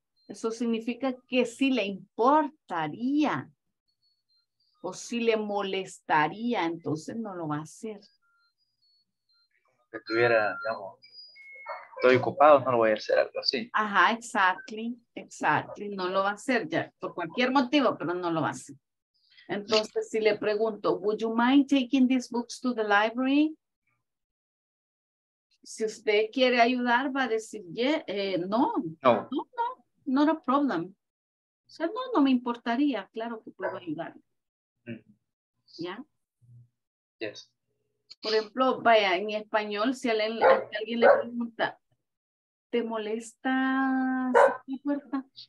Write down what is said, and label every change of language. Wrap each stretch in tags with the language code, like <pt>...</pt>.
<es>Eso significa que sí le importaría o sí le molestaría, entonces no lo va a hacer. Que estuviera, digamos, estoy ocupado, no lo voy a hacer, algo así.</es> <en>Ajá, exactly.</en> <es>No lo va a hacer ya, por cualquier motivo, pero no lo va a hacer. Entonces, si le pregunto,</es> <en>would you mind taking these books to the library?</en> <es>Si usted quiere ayudar, va a decir, yeah, no. No.</es> <en>No, no, not a problem.</en> <es>O sea, no, no me importaría, claro que puedo ayudar. Mm-hmm. ¿Ya?</es> <en>Yes.</en> <es>Por ejemplo, vaya, en español, si alguien le pregunta, ¿te molesta la puerta?</es>